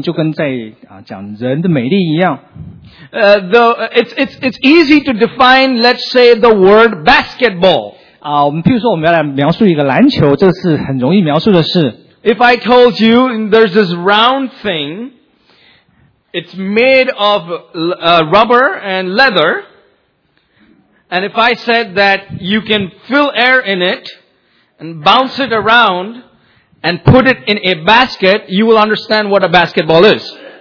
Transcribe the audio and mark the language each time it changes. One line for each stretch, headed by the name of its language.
Chinese: 第二个呢，神的荣耀这事情就跟在讲人的美丽一样。
English: It's easy to define, let's say, the word basketball.
Chinese: 我们譬如说我们要来描述一个篮球，这是很容易描述的事。
English: If I told you there's this round thing, it's made of rubber and leather, and if I said that you can fill air in it and bounce it around and put it in a basket, you will understand what a basketball is.